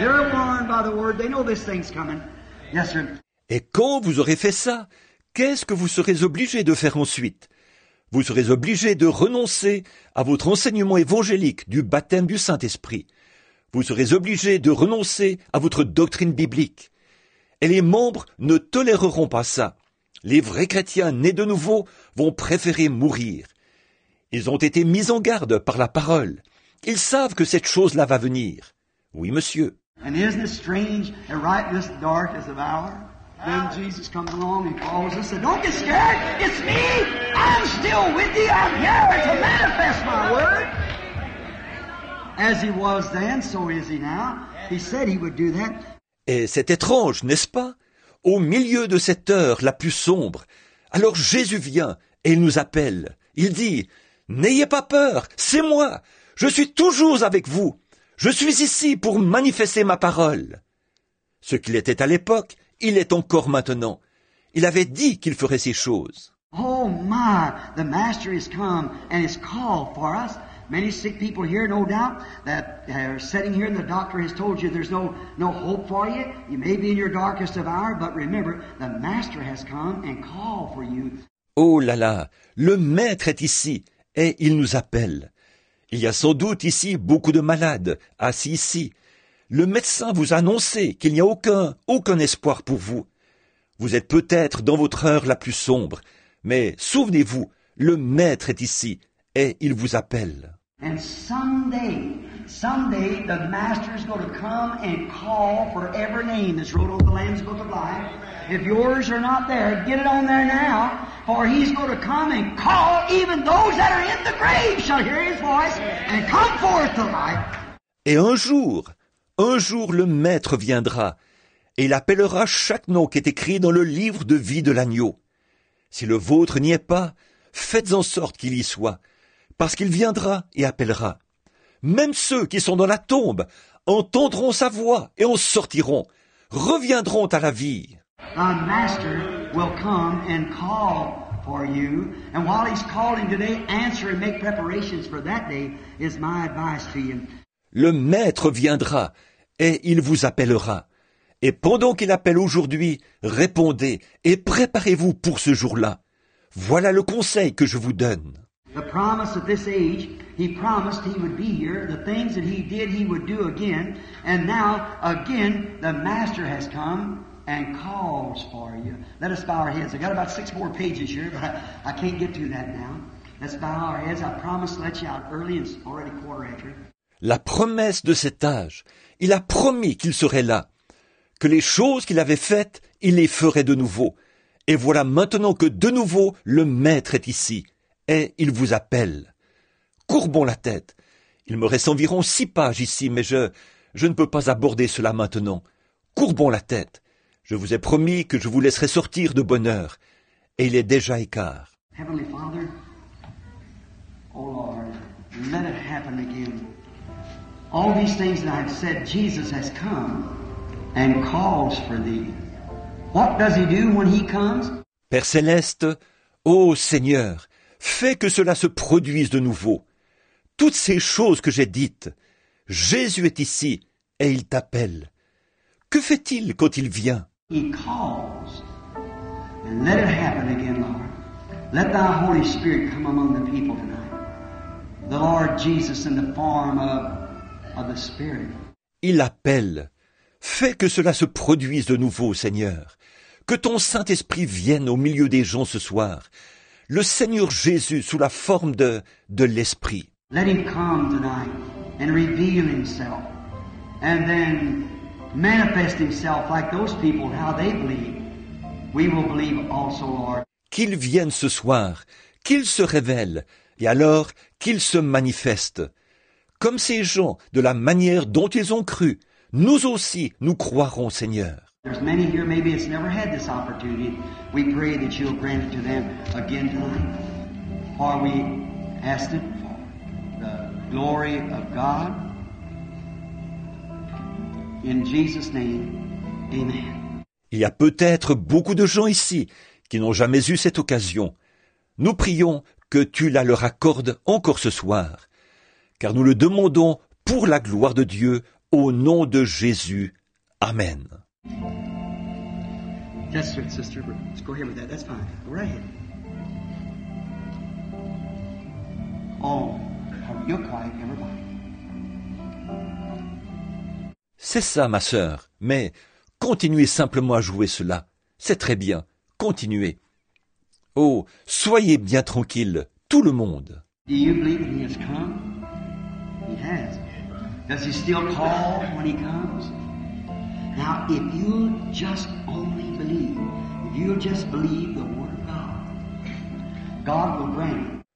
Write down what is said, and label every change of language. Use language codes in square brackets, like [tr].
[en] They're born by the word. They know this thing's coming. Amen. Yes, sir. [fr] Et quand vous aurez fait ça, qu'est-ce que vous serez obligé de faire ensuite? Vous serez obligé de renoncer à votre enseignement évangélique du baptême du Saint-Esprit. Vous serez obligé de renoncer à votre doctrine biblique. Et les membres ne toléreront pas ça. Les vrais chrétiens nés de nouveau vont préférer mourir. Ils ont été mis en garde par la parole. Ils savent que cette chose-là va venir. Oui, monsieur. [en] And isn't it strange that right in this darkest of hour, then Jesus comes along and calls us and don't get scared. It's me. I'm still with you. I'm here to manifest my word. As he was then, so is he now. He said he would do that. [fr] Et c'est étrange, n'est-ce pas? Au milieu de cette heure la plus sombre, alors Jésus vient et il nous appelle. Il dit: n'ayez pas peur, c'est moi. Je suis toujours avec vous. Je suis ici pour manifester ma parole. Ce qu'il était à l'époque, il est encore maintenant. Il avait dit qu'il ferait ces choses. [en] Oh my, the master is come and is called for us. Many sick people here, no doubt, that are sitting here and the doctor has told you there's no hope for you. You may be in your darkest of hour, but remember, the master has come and called for you. [fr] Oh là là, le maître est ici. Et il nous appelle. Il y a sans doute ici beaucoup de malades, assis ici. Le médecin vous a annoncé qu'il n'y a aucun espoir pour vous. Vous êtes peut-être dans votre heure la plus sombre, mais souvenez-vous, le maître est ici, et il vous appelle. [en] And someday, the master is going to come and call for every name that's wrote on the Lamb's Book of Life. If yours are not there, get it on there now, for he's going to come and call even those that are in the grave shall hear his voice and come forth to life. [fr] Et un jour le maître viendra et il appellera chaque nom qui est écrit dans le livre de vie de l'agneau. Si le vôtre n'y est pas, faites en sorte qu'il y soit, parce qu'il viendra et appellera. Même ceux qui sont dans la tombe entendront sa voix et en sortiront, reviendront à la vie. [en] The master will come and call for you. And while he's calling today, answer and make preparations for that day is my advice to you. [fr] Le maître viendra et il vous appellera. Et pendant qu'il appelle aujourd'hui, répondez et préparez-vous pour ce jour-là. Voilà le conseil que je vous donne. [en] The promise of this age, he promised he would be here. The things that he did, he would do again. And now, again, the master has come and calls for you. Let us bow our heads. I've got about 6 more pages here, but I can't get to that now. Let's bow our heads. I promise to let you out early. It's already 4 after. [fr] La promesse de cet âge, il a promis qu'il serait là, que les choses qu'il avait faites, il les ferait de nouveau. Et voilà maintenant que de nouveau, le maître est ici. Et il vous appelle. Courbons la tête. Il me reste environ 6 pages ici, mais je ne peux pas aborder cela maintenant. Courbons la tête. Je vous ai promis que je vous laisserai sortir de bonne heure. Et il est déjà écart. [en] Heavenly Father, oh Lord, let it happen again. All these things that I've said, Jesus has come and calls for thee. What does he do when he comes? [fr] Père Céleste, ô Seigneur, fais que cela se produise de nouveau. Toutes ces choses que j'ai dites, Jésus est ici et il t'appelle. Que fait-il quand il vient? [en] He calls. Let it happen again, Lord. Let thy Holy Spirit come among the people tonight. The Lord Jesus in the form of the Spirit. [fr] Il appelle. Fais que cela se produise de nouveau, Seigneur. Que ton Saint-Esprit vienne au milieu des gens ce soir. Le Seigneur Jésus sous la forme de l'Esprit. [en] Let him come tonight and reveal himself. And then manifest himself like those people, how they believe. We will believe also, Lord. [fr] Qu'il vienne ce soir, qu'il se révèle, et alors qu'il se manifeste. Comme ces gens, de la manière dont ils ont cru, nous aussi nous croirons, Seigneur. [en] There's many here, maybe it's never had this opportunity. We pray that you'll grant it to them again tonight. For we ask it for the glory of God. In Jesus' name, amen. [fr] Il y a peut-être beaucoup de gens ici qui n'ont jamais eu cette occasion. Nous prions que tu la leur accordes encore ce soir, car nous le demandons pour la gloire de Dieu, au nom de Jésus. Amen. [en] That's right, sister. Let's go ahead with that. That's fine. Go right ahead. Oh, you're quiet, everybody. [fr] C'est ça, ma sœur, mais continuez simplement à jouer cela. C'est très bien. Continuez. Oh, soyez bien tranquille, tout le monde. [en] Do you believe that he has come? He has. Does he still call when he comes? Now, if you just only believe, if you just believe the word of God, God will bring.